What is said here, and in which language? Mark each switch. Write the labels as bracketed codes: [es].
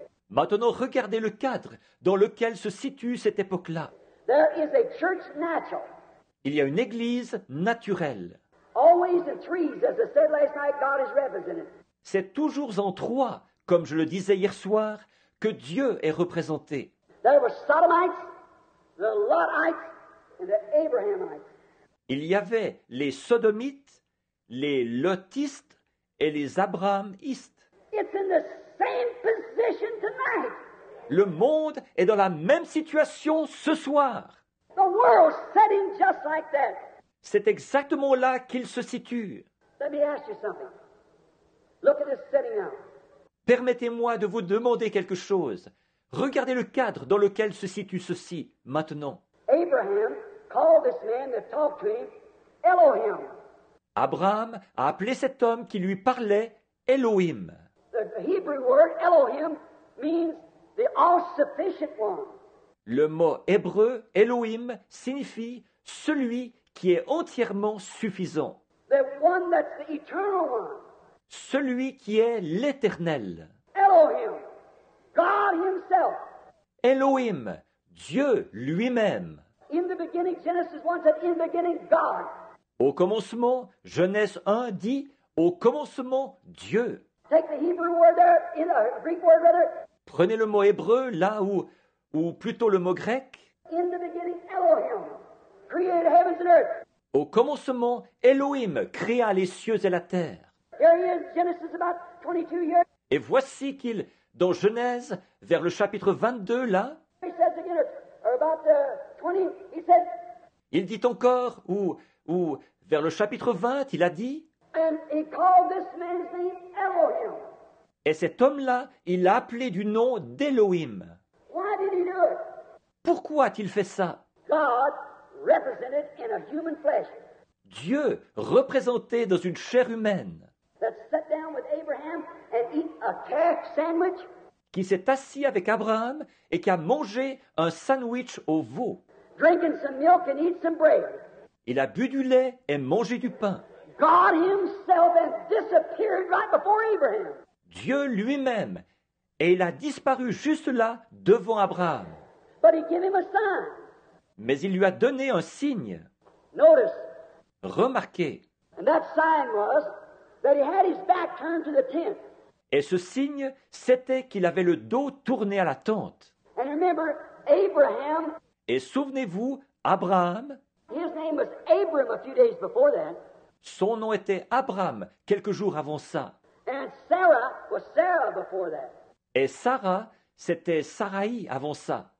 [fr] Maintenant, regardez le cadre dans lequel se situe cette époque-là. [en] There is a church natural. [fr] Il y a une église naturelle. [en] Always in threes, as I said last night, God is represented. [fr] C'est toujours en trois, comme je le disais hier soir, que Dieu est représenté. [en] There were Sodomites, the Lotites and the Abrahamites. [fr] Il y avait les Sodomites, les Lotistes et les Abrahamistes. [en] It's in the same position tonight. [fr] Le monde est dans la même situation ce soir. [en] The world's setting just like that. [fr] C'est exactement là qu'il se situe. [en] Let me ask you something. Look at this setting now. [fr] Permettez-moi de vous demander quelque chose. Regardez le cadre dans lequel se situe ceci, maintenant. [en] Abraham called this man to talk to him, Elohim. [fr] Abraham a appelé cet homme qui lui parlait Elohim. [en] The Hebrew word Elohim means the all-sufficient one. [fr] Le mot hébreu Elohim signifie celui qui est entièrement suffisant. [en] The one that's the eternal one. [fr] Celui qui est l'éternel. [en] Elohim, God himself. [fr] Elohim, Dieu lui-même. [en] In the beginning, Genesis 1 said, in the beginning, God. [fr] Au commencement, Genèse 1 dit, au commencement, Dieu. [en] Take the Hebrew word there, in the Greek word rather. [fr] Prenez le mot hébreu, là où, ou plutôt le mot grec. [en] In the beginning, Elohim, created heavens and earth. [fr] Au commencement, Elohim créa les cieux et la terre. [en] Here he is, Genesis about 22 years. [fr] Et voici qu'il, dans Genèse, vers le chapitre 22, là, [en] he says again, or about the 20, he said, [fr] il dit encore, ou vers le chapitre 20, il a dit, [en] and he called this man's name Elohim. [fr] Et cet homme-là, il l'a appelé du nom d'Elohim. [en] Why did he do it? [fr] Pourquoi a-t-il fait ça? [en] God represented in a human flesh. [fr] Dieu représenté dans une chair humaine. [en] That sat down with Abraham and eat a calf sandwich. [fr] Qui s'est assis avec Abraham et qui a mangé un sandwich au veau. [en] Drinking some milk and eat some bread. [fr] Il a bu du lait et mangé du pain. [en] God himself has disappeared right before Abraham. [fr] Dieu lui-même, et il a disparu juste là, devant Abraham. [en] But he gave him a sign. [fr] Mais il lui a donné un signe. [en] Notice. [fr] Remarquez. [en] And that sign was that he had his back turned to the tent. [fr] Et ce signe, c'était qu'il avait le dos tourné à la tente. [en] And remember, Abraham, [fr] et souvenez-vous, Abraham, [en] his name was Abram a few days before that. [fr] Son nom était Abraham quelques jours avant ça. [en] And Sarah was Sarah before that. [fr] Et Sarah, c'était Sarai avant ça.